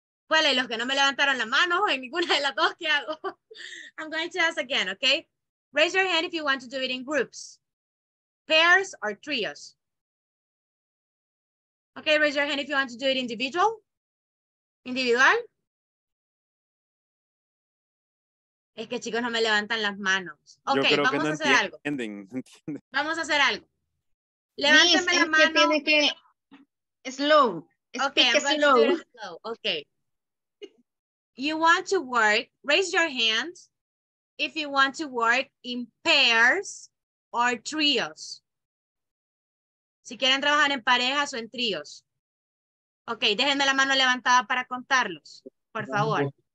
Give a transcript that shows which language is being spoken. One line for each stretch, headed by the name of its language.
Spanish: ¿Cuál es? Los que no me levantaron la mano en ninguna de las dos, ¿qué hago?
English: I'm going to ask again, okay? Raise your hand if you want to do it in groups. Pairs or trios? Okay, raise your hand if you want to do it individual. Individual?
Spanish: Es que chicos no me levantan las manos. Okay, vamos a hacer algo. Vamos a hacer algo. Levántame la mano. Tiene que... Slow.
English: Okay, I'm going to do it slow. Okay. You want to work, raise your hand if you want to work in pairs or trios.
Spanish: Si quieren trabajar en parejas o en tríos. Ok, déjenme la mano levantada para contarlos, por favor.